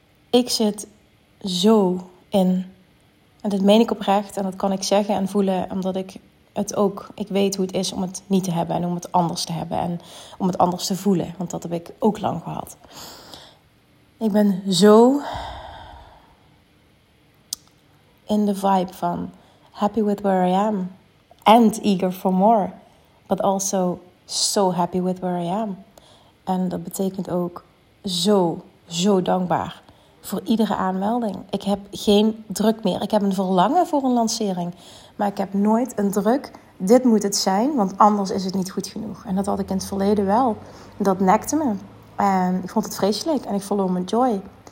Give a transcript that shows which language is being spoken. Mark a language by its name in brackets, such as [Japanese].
[Dutch] Ik zit zo in, en dit meen ik oprecht, en dat kan ik zeggen en voelen, omdat ik... het ook, ik weet hoe het is om het niet te hebben en om het anders te hebben en om het anders te voelen, want dat heb ik ook lang gehad. Ik ben zo in de vibe van [English] happy with where I am and eager for more, but also so happy with where I am. [Dutch] En dat betekent ook zo dankbaar voor iedere aanmelding. Ik heb geen druk meer. Ik heb een verlangen voor een lancering. Maar ik heb nooit een druk. Dit moet het zijn, want anders is het niet goed genoeg. En dat had ik in het verleden wel. Dat nekte me. En ik vond het vreselijk. En ik verloor mijn joy.